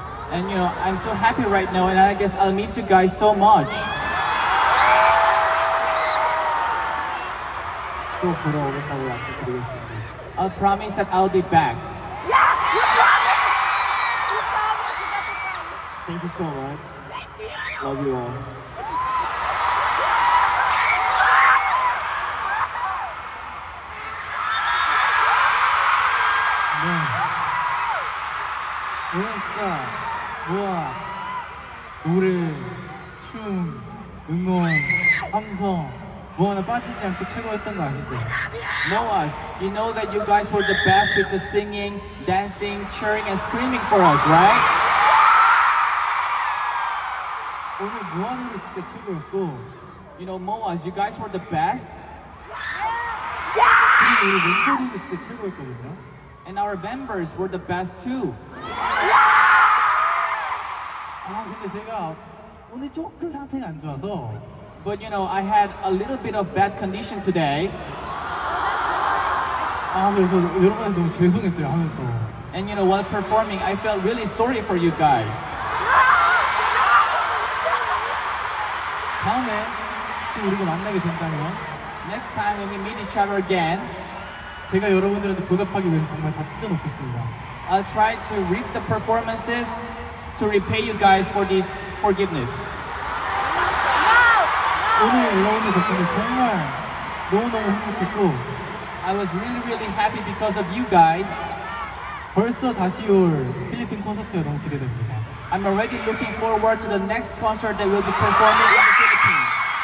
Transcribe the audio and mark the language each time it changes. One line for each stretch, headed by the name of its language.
English: And you know, I'm so happy right now, and I guess I'll miss you guys so much.
Korean: 또 보러 오겠다고 약속드리겠습니다.
English: I'll promise that I'll be back. Yeah, you promise. You promise. Thank you so much. Love you all.
Korean: Yeah. 우와, 진짜. 우와. 노래, 춤, 응원, 함성. 뭐 하나 빠지지 않고 최고였던 거 아시죠?
English: Noahs, you know that you guys were the best with the singing, dancing, cheering, and screaming for us, right?
Korean: 오늘 무한으로 진짜 최고였고,
English: you know, Moas, you guys were the best. Yeah!
Korean: 그리고 우리 멤버들도 진짜 최고였거든요.
English: And our members were the best too.
Korean: Yeah! 아, 근데 제가 오늘 조금 상태가 안 좋아서.
English: But you know, I had a little bit of bad condition today.
Korean: 아, 그래서 여러분한테 너무 죄송했어요 하면서.
English: And you know, while performing, I felt really sorry for you guys.
Korean: 다음에 또 우리가 만나게 된다면
English: Next time when we meet each other again
Korean: 제가 여러분들한테 보답하기 위해서 정말 다 찢어놓겠습니다.
English: I'll try to reap the performances to repay you guys for this forgiveness. No!
Korean: No! 오늘 여러분들 덕분에 정말 너무너무 행복했고
English: I was really really happy because of you guys.
Korean: 벌써 다시 올 필리핀 콘서트가 너무 기대됩니다.
English: I'm already looking forward to the next concert that we'll be performing in the Philippines.